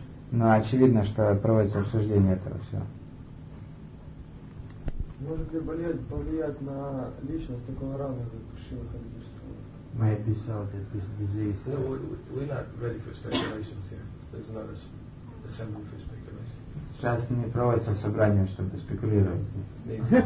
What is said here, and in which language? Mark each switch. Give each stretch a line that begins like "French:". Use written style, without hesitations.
Russian: Но очевидно, что проводится обсуждение этого всего. Может ли болезнь повлиять на личность такого равного, как Шива Харидишна?
English: May it be so that this disease... No, we're not ready for speculations here. There's not an assembly for speculations.
Russian: Сейчас не проводится собрание, чтобы спекулировать здесь.